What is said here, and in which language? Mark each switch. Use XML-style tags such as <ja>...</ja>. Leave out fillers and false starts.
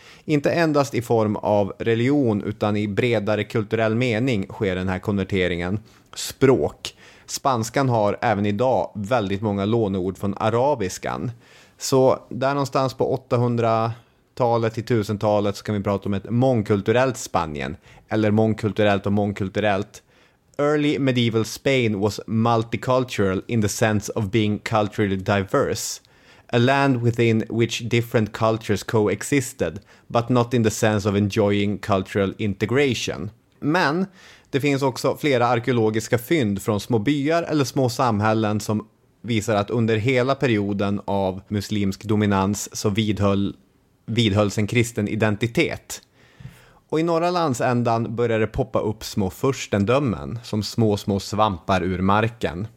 <sv>Inte endast i form av religion utan i bredare kulturell mening sker den här konverteringen. Språk. Spanskan har även idag väldigt många låneord från arabiskan. Så där någonstans på 800-talet till 1000-talet så kan vi prata om ett mångkulturellt Spanien, eller mångkulturellt och mångkulturellt.</sv> <en>Early medieval Spain was multicultural in the sense of being culturally diverse, a land within which different cultures coexisted, but not in the sense of enjoying cultural integration.</en> <sv>Men det finns också flera arkeologiska fynd från små byar eller små samhällen som visar att under hela perioden av muslimsk dominans så vidhölls en kristen identitet. Och i norra landsändan började det poppa upp små furstendömen som små svampar ur marken.</sv>